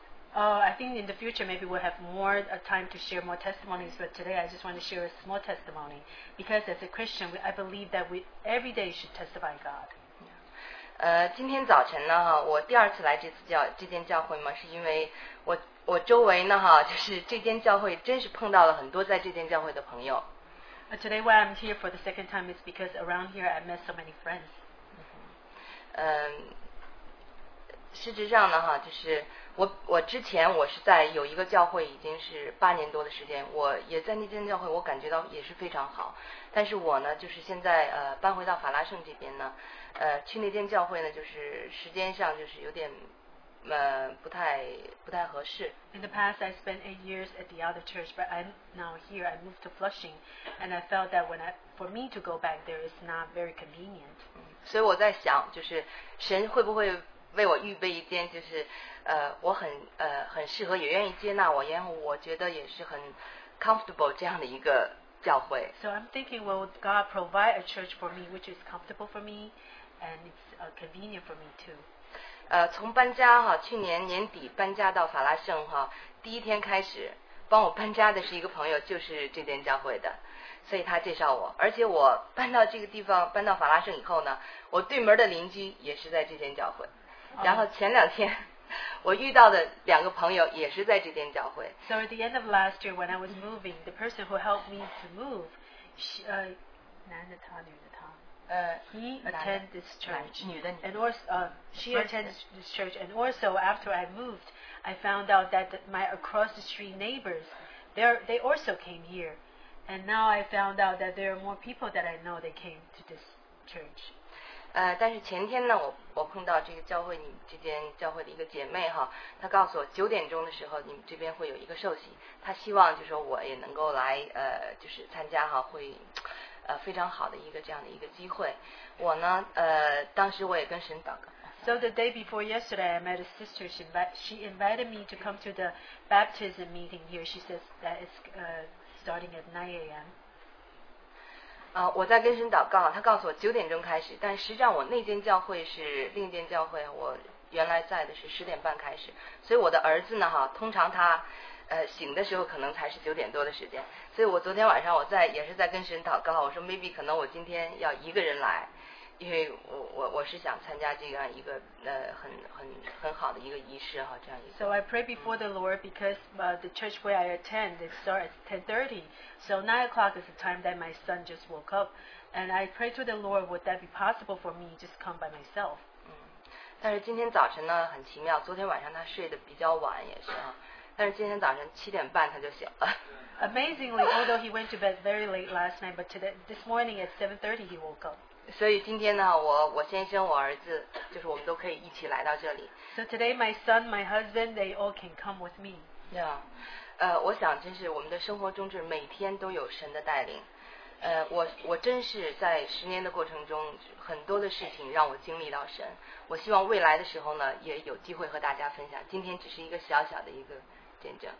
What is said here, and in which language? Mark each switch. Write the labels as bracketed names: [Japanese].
[English] I think in the future maybe we'll have more time to share more testimonies, but today I just want to share a small testimony. Because as a Christian, I believe that we every day should testify God. [Chinese] 今天早晨呢, 我第二次来这次教会嘛, 是因为我周围呢, 就是这间教会真是碰到了很多在这间教会的朋友。 [English] Today why I'm here for the second time is because around here I met so many friends. [Chinese] 实质上呢, 就是我之前我是在有一个教会已经是8年多的时间, 我也在那间教会我感觉到也是非常好, 但是我呢, 就是现在, 搬回到法拉盛这边呢, 去那间教会呢, 就是时间上就是有点, 不太合适。 [English] In the past, I spent 8 years at the other church, but I'm now here, I moved to Flushing, and I felt that for me to go back there is not very convenient. [Chinese] 所以我在想, 就是神会不会为我预备一间，就是我很适合，也愿意接纳我，然后我觉得也是很 comfortable 这样的一个教会。 [English] So I'm thinking, will God provide a church for me which is comfortable for me and it's convenient for me too? [Chinese] 从搬家哈，去年年底搬家到法拉盛哈，第一天开始帮我搬家的是一个朋友，就是这间教会的。所以他介绍我，而且我搬到这个地方，搬到法拉盛以后呢，我对门的邻居也是在这间教会。然后前两天我遇到的两个朋友也是在这间教会。 [English] So at the end of last year when I was moving, the person who helped me to move, she, [Chinese] 男的他女的他 [English] he attended this church. [Chinese] 男的女的女的。 [English] And also, she attended this church. And also after I moved, I found out that my across the street neighbors, they also came here. And now I found out that there are more people that I know that came to this church. [Chinese] 但是前天呢，我碰到这个教会，你这间教会的一个姐妹哈，她告诉我九点钟的时候你们这边会有一个受洗，她希望就是说我也能够来就是参加哈，会非常好的一个这样的一个机会。我呢当时我也跟神祷告。 [English] So the day before yesterday, I met a sister. She invited me to come to the baptism meeting here. She says that it's starting at 9 a.m. [Chinese] 我在跟神祷告，他告诉我九点钟开始，但实际上我那间教会是另一间教会，我原来在的是十点半开始，所以我的儿子呢哈，通常他醒的时候可能才是九点多的时间，所以我昨天晚上也是在跟神祷告，我说 maybe 可能我今天要一个人来，因为我是想参加这样一个很好的一个仪式哈，这样一个。 [English] So I pray before the Lord because the church where I attend it starts at 10:30, so 9 o'clock is the time that my son just woke up, and I pray to the Lord would that be possible for me just come by myself. [Chinese] 但是今天早晨呢很奇妙，昨天晚上他睡得比较晚也是哈，但是今天早晨七点半他就醒了。 [English] Amazingly, although he went to bed very late last night, but today this morning at 7:30 he woke up. [Chinese] 所以今天呢，我先生、我儿子，就是我们都可以一起来到这里。 [English] So today, my son, my husband, they all can come with me. [Chinese] Yeah, 我想真是我们的生活中就是每天都有神的带领。我真是在十年的过程中，很多的事情让我经历到神。我希望未来的时候呢，也有机会和大家分享。今天只是一个小小的一个见证。